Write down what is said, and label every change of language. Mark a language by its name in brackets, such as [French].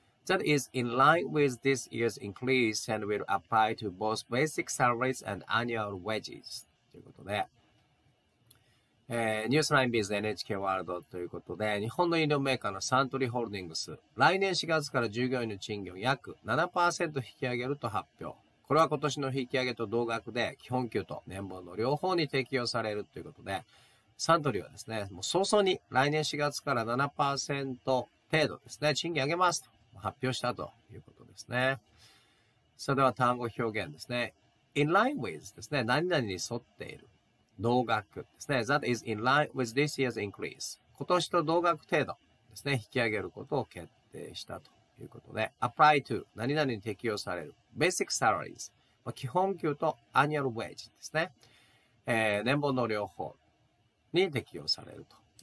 [English] That is in line with this year's increase and will apply to both basic salaries and annual wages. [Japanese] ということで、ニュースラインビーズ NHK ワールドということで、日本の飲料メーカーのサントリーホールディングス、来年4月から従業員の賃金を約 7% 引き上げると発表。これは今年の引き上げと同額で、基本給と年俸の両方に適用されるということで、サントリーはですね、もう早々に来年4月から 7% 程度ですね、賃金上げますと。発表したということですね。それでは単語表現ですね。 [English] In line with [Japanese] ですね。何々に沿っている。同額ですね。 [English] That is in line with this year's increase. [Japanese] 今年と同額程度ですね。引き上げることを決定したということで。 [English] Apply to [Japanese] 何々に適用される。 [English] Basic salaries。 [Japanese] 基本給と Annual wage ですね。年俸の両方に適用されると。